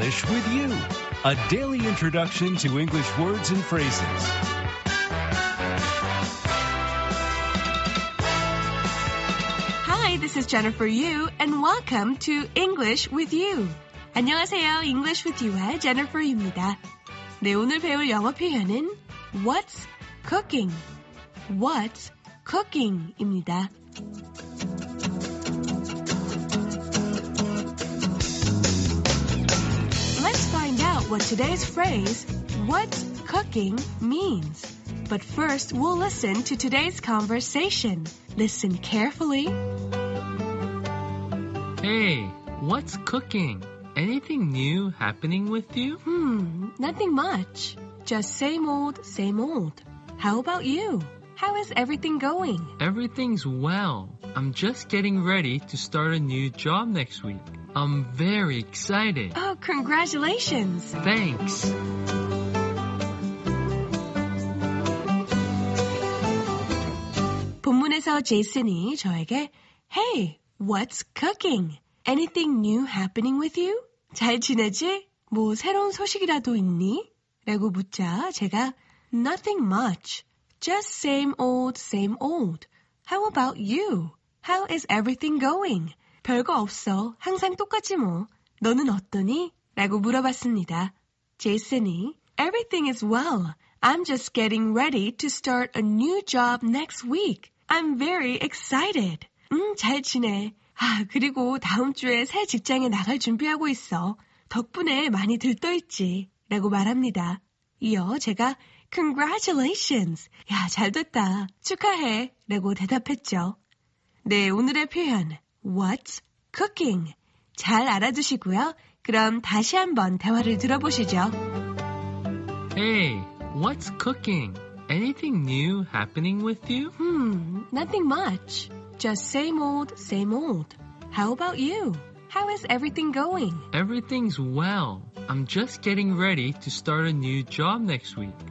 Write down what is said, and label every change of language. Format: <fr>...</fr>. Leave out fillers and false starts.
<en>With you, a daily introduction to English words and phrases. Hi, this is Jennifer Yu, and welcome to English with You.</en> <ko>안녕하세요, English with You의 Jennifer입니다. 네, 오늘 배울 영어 표현은</ko> <en>What's cooking? What's cooking?입니다. cooking means. But first, we'll listen to today's conversation. Listen carefully. Hey, what's cooking? Anything new happening with you? Nothing much. Just same old, same old. How about you? How is everything going? Everything's well. I'm just getting ready to start a new job next week. I'm very excited. Oh, congratulations. Thanks.</en> <ko>Jason이 저에게,</ko> <en>Hey, what's cooking? Anything new happening with you?</en> <ko>잘 지내지? 뭐 새로운 소식이라도 있니? 라고 묻자 제가</ko> <en>Nothing much. Just same old, same old. How about you? How is everything going?</en> <ko>별거 없어. 항상 똑같지 뭐. 너는 어떠니? 라고 물어봤습니다.</ko> <en>Jason이 Everything is well. I'm just getting ready to start a new job next week. I'm very excited.</en> <ko>잘 지내. 아, 그리고 다음 주에 새 직장에 나갈 준비하고 있어. 덕분에 많이 들떠있지. 라고 말합니다. 이어 제가</ko> <en>Congratulations.</en> <ko>야, 잘 됐다. 축하해. 라고 대답했죠. 네, 오늘의 표현</ko> <en>What's cooking?</en> <ko>잘 알아두시고요. 그럼 다시 한번 대화를 들어보시죠.</ko> <en>Hey, what's cooking? Anything new happening with you? Nothing much. Just same old, same old. How about you? How is everything going? Everything's well. I'm just getting ready to start a new job next week.</en>